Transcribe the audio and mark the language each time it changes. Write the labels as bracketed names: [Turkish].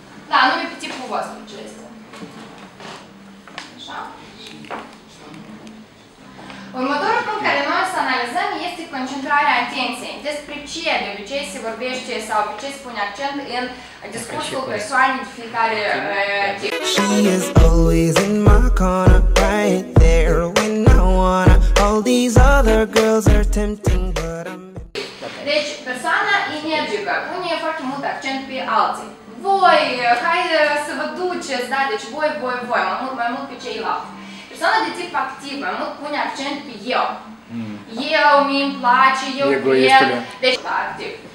[Romanian] Da, nu e pe tipul vostru ce este. Așa. Următorul punct care noi o să analizăm este concentrarea atenției. Despre ce de obicei se vorbește sau pe ce se pune accent în discursul persoanei de fiecare tip. [English] She is always in my corner, right there, when I wanna. All these other girls are tempting, but I'm... [Romanian] Deci, persoana energică pune foarte mult accent pe alții. Voi, hai să vă duceți, da? Deci voi, mai mult pe ceilalți. Persoana de tip activ, mai mult pune accent pe eu. Eu, mie îmi place, eu cred. Deci, activ.